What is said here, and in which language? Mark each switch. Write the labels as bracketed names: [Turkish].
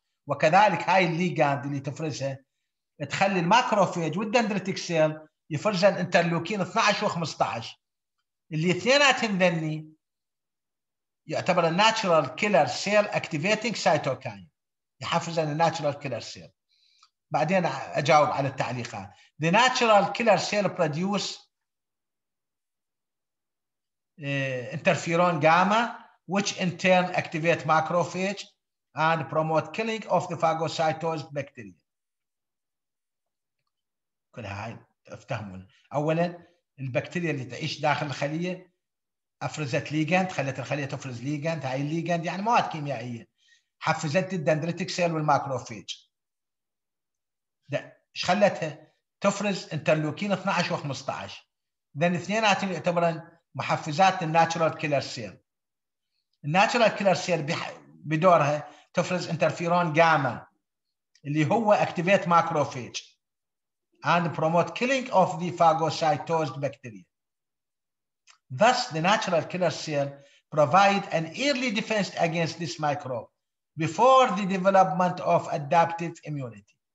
[Arabic] وكذلك هاي الليجاند اللي تفرزها تخلي الماكروفيج والدندريتك سيل يفرزن انترلوكين 12 و15 اللي اثنيناتهم ذني يعتبر الناتشرال كيلر سيل اكتيفيتنج سايتوكاين، يحفزن الناتشرال كيلر سيل. بعدين اجاوب على التعليقات. [English] The natural killer cell produce interferon gamma which in turn activate macrophage and promote killing of the phagocytosed bacteria. [Arabic] كل هاي افتهمون. اولا البكتيريا اللي تعيش داخل الخليه افرزت ليجاند، خلت الخليه تفرز ليجاند، هاي الليجاند يعني مواد كيميائيه حفزت الدندريتك سيل والماكروفيج. ده ايش خلتها؟ تفرز انترلوكين 12 و15. ذن اثنيناتهم يعتبرن محفزات الناتشرال كيلر سيل. الناتشرال كيلر سيل بدورها تفرز انترفيرون جاما اللي هو اكتيفيت ماكروفيج [English] and promote killing of the phagocytosed bacteria. Thus the natural killer cell provide an early defense against this microbe before the development of adaptive immunity.